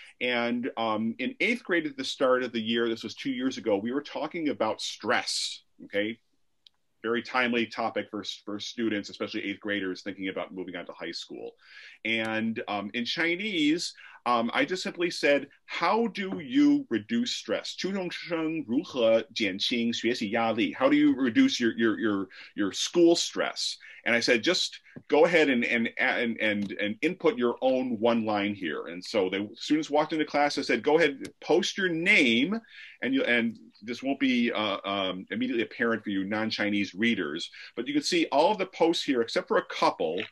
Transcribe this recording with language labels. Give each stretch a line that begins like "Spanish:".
English: And in eighth grade at the start of the year, this was 2 years ago, we were talking about stress, okay? Very timely topic for students, especially eighth graders thinking about moving on to high school. And in Chinese, I just simply said, how do you reduce stress?
Chinese: 初中生如何减轻学习压力?
English: How do you reduce your school stress? And I said, just go ahead and input your own one line here. And so the students walked into class. I said, go ahead, post your name, and this won't be immediately apparent for you non-Chinese readers, but you can see all of the posts here, except for a couple.